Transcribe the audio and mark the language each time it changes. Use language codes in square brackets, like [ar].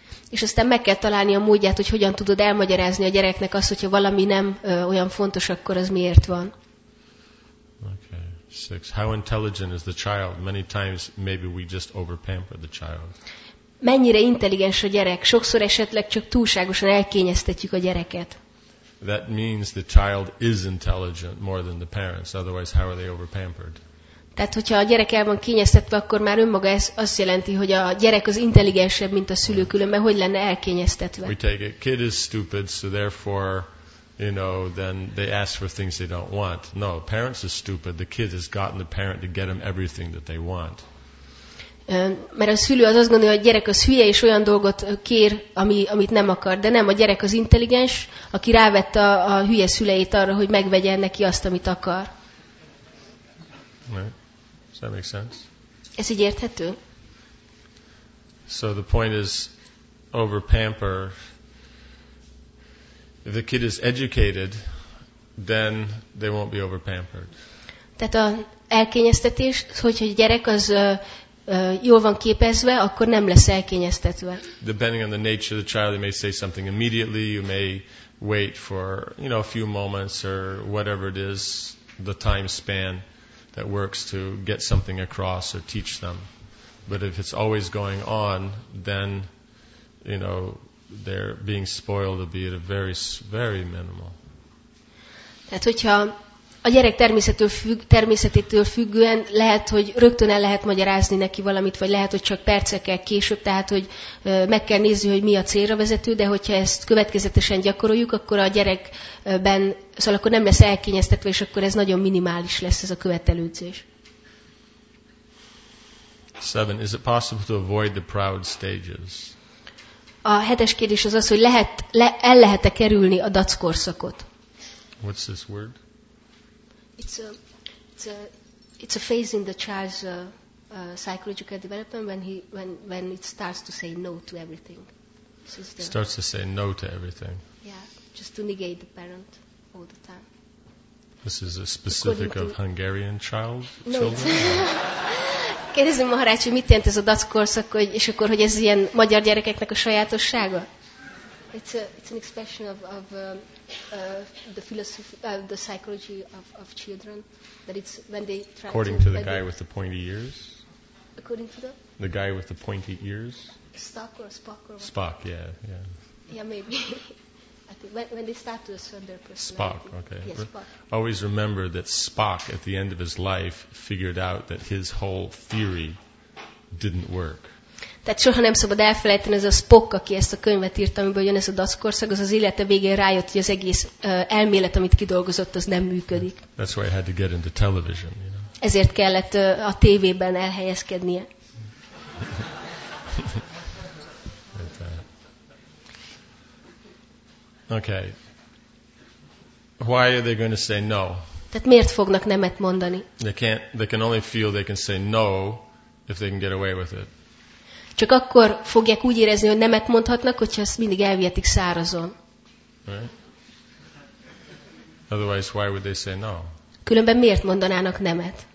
[hu] És aztán meg kell találni a módját, hogy hogyan tudod elmagyarázni a gyereknek azt, hogyha valami nem olyan fontos, akkor az miért van. [en] Okay. 6. How intelligent is the child? Many times maybe we just overpamper the child. [hu] Mennyire intelligens a gyerek? Sokszor esetleg csak túlságosan elkényeztetjük a gyereket. [en] That means the child is intelligent more than the parents. Otherwise, how are they overpampered? [hu] Tehát, hogyha a gyerek el van kényeztetve, akkor már önmaga ez azt jelenti, hogy a gyerek az intelligensebb, mint a szülő, különben hogy lenne elkényeztetve. [en] We take it. Kid is stupid, so therefore, you know, then they ask for things they don't want. No, parents are stupid. The kid has gotten the parent to get them everything that they want. [hu] Mert a szülő az azt gondolja, hogy a gyerek az hülye, és olyan dolgot kér, amit nem akar. De nem, a gyerek az intelligens, aki rávette a hülye szüleit arra, hogy megvegye neki azt, amit akar. [en] Does that make sense? [hu] Ez így érthető? [en] So the point is, over pamper. If the kid is educated, then they won't be over pampered. [hu] Tehát a elkényeztetés, hogyha a gyerek az jól van képezve, akkor nem lesz elkényeztetve. [en] Depending on the nature of the child, you may say something immediately, you may wait for, you know, a few moments or whatever it is, the time span that works to get something across or teach them. But if it's always going on, then, you know, they're being spoiled to be at a very, very minimal. [hu] Tehát hogyha a gyerek természetétől függően lehet, hogy rögtön el lehet magyarázni neki valamit, vagy lehet, hogy csak percekkel később, tehát hogy meg kell nézni, hogy mi a célra vezető, de hogyha ezt következetesen gyakoroljuk, akkor a gyerekben, szóval akkor nem lesz elkényeztetve, és akkor ez nagyon minimális lesz, ez a követelődzés. [en] 7. Is it possible to avoid the proud stages? [hu] A hetes kérdés az az, hogy el lehet-e kerülni a dac korszakot. [en] What's this word? It's a phase in the child's psychological development when it starts to say no to everything. Starts to say no to everything. Yeah, just to negate the parent all the time. This is a specific of Hungarian child. No. [hu] Kérdezem Maharács, hogy mit jelent ez a dac korszak, és akkor hogy ez ilyen magyar gyerekeknek a sajátossága? [en] It's an expression of the psychology of children, that it's when they try. According to the guy with the pointy ears. According to the guy with the pointy ears. Spock or Spock or what? Spock, yeah. Yeah, maybe. I think when they start to assert their personality. Spock, okay. Yes, Spock. Always remember that Spock, at the end of his life, figured out that his whole theory didn't work. [hu] Tehát soha nem szabad elfelejteni, ez a Spock, aki ezt a könyvet írt, amiből jön ez a dac korszak, az élete végén rájött, hogy az egész elmélet, amit kidolgozott, az nem működik. [en] That's why I had to get into television, you know? [hu] Ezért kellett a tévében elhelyezkednie. [en] Okay. Why are they going to say no? [hu] Tehát miért fognak nemet mondani? [en] They can only feel they can say no if they can get away with it. [hu] Csak akkor fogják úgy érezni, hogy nemet mondhatnak, hogyha ezt mindig elvihetik szárazon. [en] Right. Otherwise, why would they say no? [hu] Különben miért mondanának nemet?